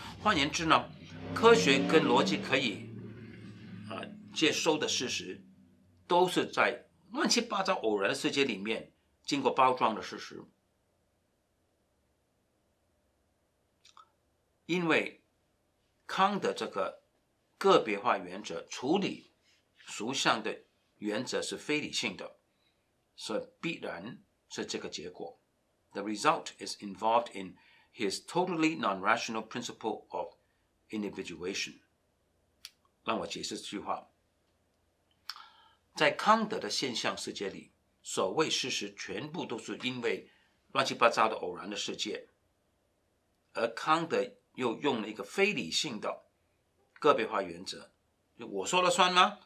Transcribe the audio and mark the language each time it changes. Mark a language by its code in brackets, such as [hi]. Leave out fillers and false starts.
[zh] 换言之呢，科学跟逻辑可以接收的事实，都是在乱七八糟偶然的世界里面经过包装的事实，因为康德这个个别化原则处理俗象的原则是非理性的，所以必然是这个结果。 [en] The result is involved in his totally non-rational principle of individuation。 [zh] 让我解释这句话，在康德的现象世界里，所谓事实全部都是因为乱七八糟的偶然的世界，而康德又用了一个非理性的个别化原则，就我说了算吗？